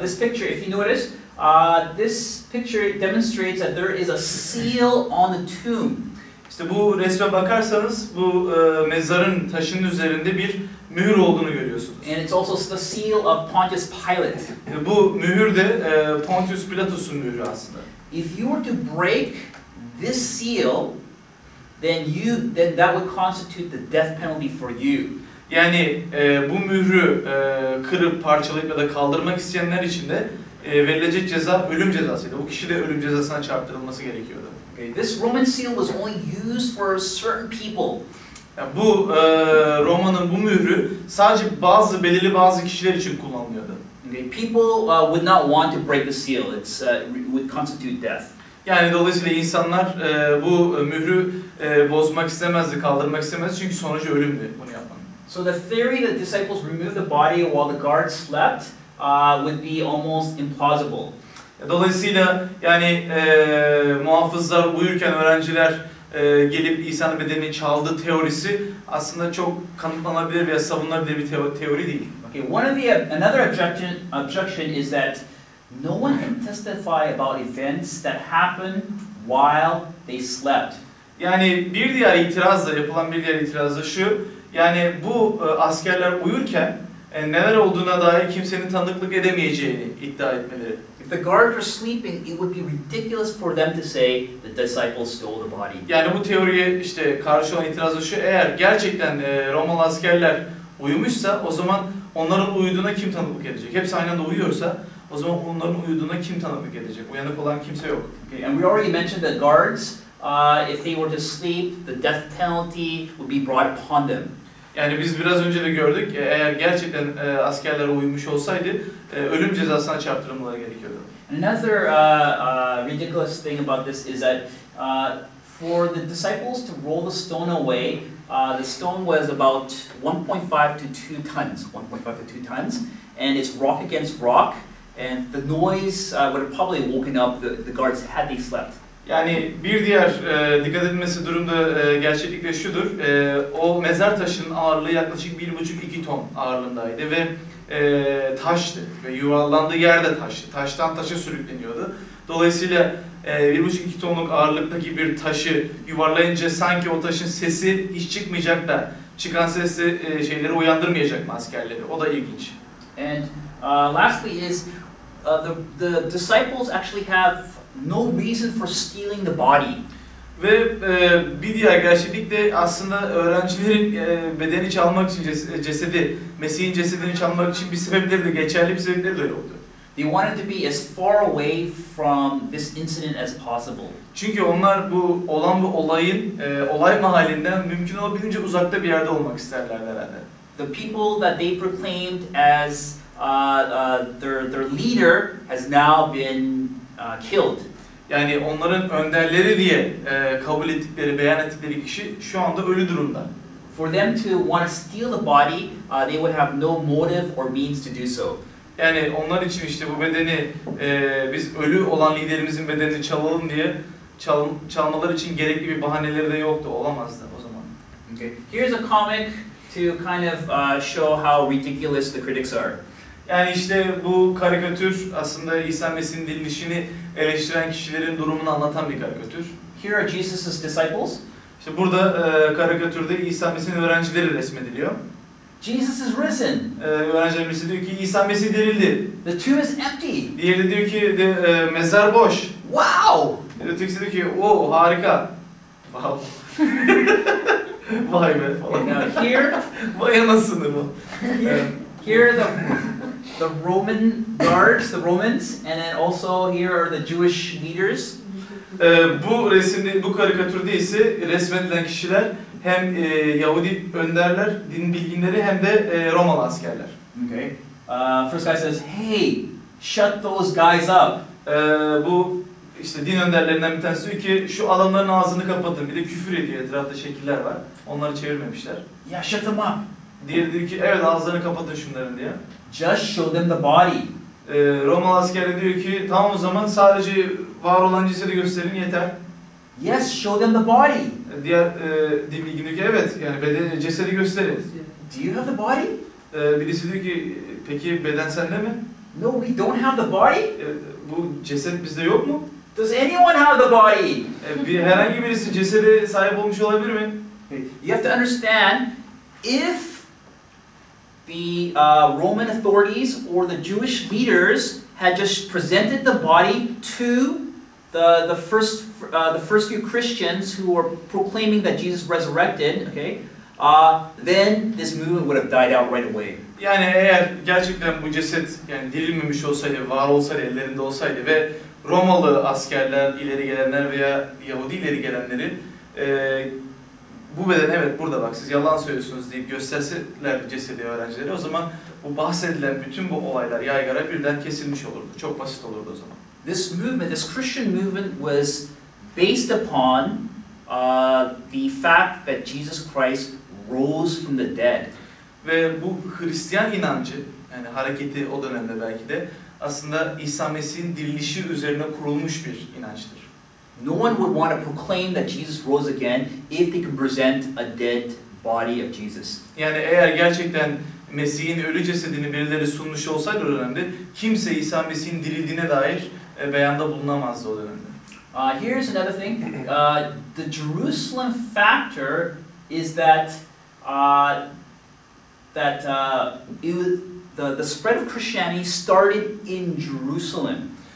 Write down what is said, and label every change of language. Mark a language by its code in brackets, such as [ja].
[en] This picture, if you notice, this picture demonstrates that there is a seal on the tomb. [tr] İşte bu resme bakarsanız, bu mezarın taşının üzerinde bir mühür olduğunu görüyorsunuz. [en] And it's also the seal of Pontius Pilate. [tr] Bu mühür de Pontius Pilatus'un mührü aslında. [en] If you were to break this seal, then that would constitute the death penalty for you. [tr] Yani bu mührü kırıp parçalayıp ya da kaldırmak isteyenler için de verilecek ceza ölüm cezasıydı. Bu kişi de ölüm cezasına çarptırılması gerekiyordu. [en] Okay, this Roman seal was only used for certain people. [tr] Yani bu Roma'nın bu mührü sadece bazı belirli bazı kişiler için kullanılıyordu. [en] Okay, people would not want to break the seal. It's would constitute death. [tr] Yani dolayısıyla insanlar bu mührü bozmak istemezdi, kaldırmak istemezdi çünkü sonucu ölümdü bunu yapmanın. [en] So the theory that disciples removed the body while the guards slept would be almost implausible. [tr] Dolayısıyla yani muhafızlar uyurken öğrenciler gelip İsa'nın bedenini çaldı teorisi aslında çok kanıtlanabilir veya savunulabilir bir teori değil. [en] Okay, another objection is that no one can testify about events that happened while they slept. [tr] Yani bir diğer itiraz da yapılan bir diğer itiraz da şu. Yani bu askerler uyurken neler olduğuna dair kimsenin tanıklık edemeyeceğini iddia etmeleri. [en] If the guards were sleeping, it would be ridiculous for them to say the disciples stole the body. [tr] Yani bu teoriye işte karşı olan itiraz da şu. Eğer gerçekten Romalı askerler uyumuşsa o zaman onların uyuduğuna kim tanıklık edecek? Hepsi aynı anda uyuyorsa o zaman onların uyuduğuna kim tanıklık edecek? Uyanık olan kimse yok. [en] Okay, and we already mentioned that guards, if they were to sleep, the death penalty would be brought upon them. [tr] Yani biz biraz önce de gördük, eğer gerçekten askerler uyumuş olsaydı, ölüm cezasına çarptırılmaları gerekiyordu. [en] Another ridiculous thing about this is that for the disciples to roll the stone away, the stone was about 1.5 to 2 tons, 1.5 to 2 tons, and it's rock against rock, and the noise would have probably woken up the guards had they slept. [tr] Yani bir diğer dikkat edilmesi durumda gerçeklikte şudur. O mezar taşının ağırlığı yaklaşık 1,5-2 ton ağırlığındaydı ve taştı ve yuvarlandığı yerde taştı. Taştan taşa sürükleniyordu. Dolayısıyla 1,5-2 tonluk ağırlıktaki bir taşı yuvarlayınca sanki o taşın sesi hiç çıkmayacak da çıkan sesi şeyleri uyandırmayacak mı askerleri. O da ilginç. [en] And lastly is the disciples actually have no reason for stealing the body. [tr] Ve bir diğer gerçeklik de aslında öğrencilerin bedeni çalmak için cesedi, Mesih'in cesedini çalmak için bir sebepleri de geçerli bir sebepleri de yoktu. [en] They wanted to be as far away from this incident as possible. [tr] Çünkü onlar bu olayın olay mahallinden mümkün olabildiğince uzakta bir yerde olmak isterlerdi herhalde. [en] The people that they proclaimed as their leader has now been killed. [tr] Yani onların önderleri diye kabul ettikleri, beyan ettikleri kişi şu anda ölü durumda. [en] For them to want to steal the body, they would have no motive or means to do so. [tr] Yani onlar için işte bu bedeni biz ölü olan liderimizin bedenini çalalım diye çalmaları için gerekli bir bahaneleri de yoktu, olamazdı o zaman. [en] Okay. Here's a comic to kind of show how ridiculous the critics are. [tr] Yani işte bu karikatür aslında İsa Mesih'in dirilişini eleştiren kişilerin durumunu anlatan bir karikatür. [en] Here are Jesus's disciples. [tr] İşte burada karikatürde İsa Mesih'in öğrencileri resmediliyor. [en] Jesus is risen. [tr] Öğrenciler birisi diyor ki İsa Mesih dirildi. [en] The tomb is empty. [tr] Diğeri de diyor ki mezar boş. [en] Wow. [tr] Ötekisi diyor ki oh harika. Wow. Vay be falan. [en] Now here. [tr] Vay anasını bu. [en] Here the the Roman guards, the Romans, and then also here are the Jewish leaders. [tr] Bu resimde, bu karikatürde ise resmedilen kişiler hem Yahudi önderler, din bilginleri hem de Romalı askerler. [en] Okay. First guy says, "Hey, shut those guys up." [tr] Bu işte din önderlerinden bir tanesi diyor ki, şu adamların ağzını kapatın. Bir de küfür ediyor. Etrafta şekiller var. Onları çevirmemişler. Yaşatım up. Diğeri diyor ki, evet ağzlarını kapatın şunların diye. [en] Just show them the body. [tr] Romalı askeri diyor ki, tamam o zaman sadece var olan cesedi gösterin yeter. [en] Yes, show them the body. [tr] Diğer din bilgini diyor ki, evet yani cesedi gösterin. [en] Do you have the body? [tr] Birisi diyor ki, peki beden sende mi? [en] No, we don't have the body. [tr] Bu ceset bizde yok mu? [en] Does anyone have the body? [tr] Herhangi birisi cesede sahip olmuş olabilir mi? [en] You have to understand, if the Roman authorities or the Jewish leaders had just presented the body to the first few Christians who were proclaiming that Jesus resurrected, okay, then this movement would have died out right away. [tr] Yani eğer gerçekten bu ceset yani dirilmemiş olsaydı, var olsaydı, ellerinde olsaydı ve Romalı askerler, ileri gelenler veya Yahudi ileri gelenlerin bu beden evet burada bak siz yalan söylüyorsunuz deyip gösterseler cesedi öğrencileri o zaman bu bahsedilen bütün bu olaylar yaygara birden kesilmiş olurdu. Çok basit olurdu o zaman. [en] This movement, this Christian movement was based upon the fact that Jesus Christ rose from the dead. [tr] Ve bu Hristiyan inancı yani hareketi o dönemde belki de aslında İsa Mesih'in dirilişi üzerine kurulmuş bir inançtır. [en] No one would want to proclaim that Jesus rose again if they could present a dead body of Jesus. [tr] Yani eğer gerçekten Mesih'in ölü cesedini birileri sunmuş olsaydı o dönemde, kimse İsa Mesih'in dirildiğine dair beyanda bulunamazdı o dönemde. [en] Here's another thing. The Jerusalem factor is that the spread of Christianity started in Jerusalem.